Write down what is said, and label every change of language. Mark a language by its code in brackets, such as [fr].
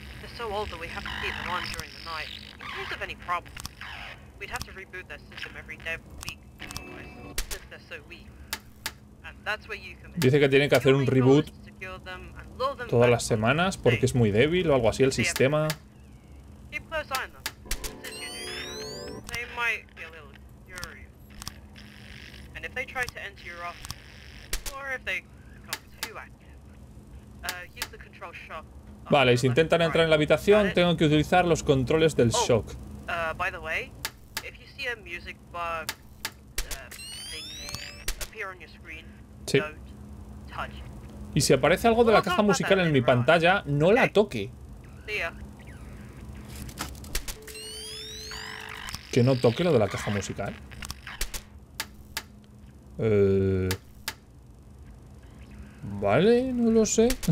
[en] They're so old that we have to keep them on during the night. In case of any problems, we'd have to reboot their system every day of the week. Since they're so weak. And that's where you come in. [es] Dice que tienen que hacer un reboot todas las semanas porque es muy débil o algo así el sistema. [en] Keep close eye on them. Since you do, they might be a little... And if they try to enter your office, or if they become too active, use the control shock. [es] Vale, si intentan entrar en la habitación, tengo que utilizar los controles del shock. [en] By the way, if you see a music bug thing appear on your screen, don't touch it. [es] Y si aparece algo de la caja musical en mi pantalla, no la toque. [en] See ya. [es] Que no toque lo de la caja musical. Vale, no lo sé.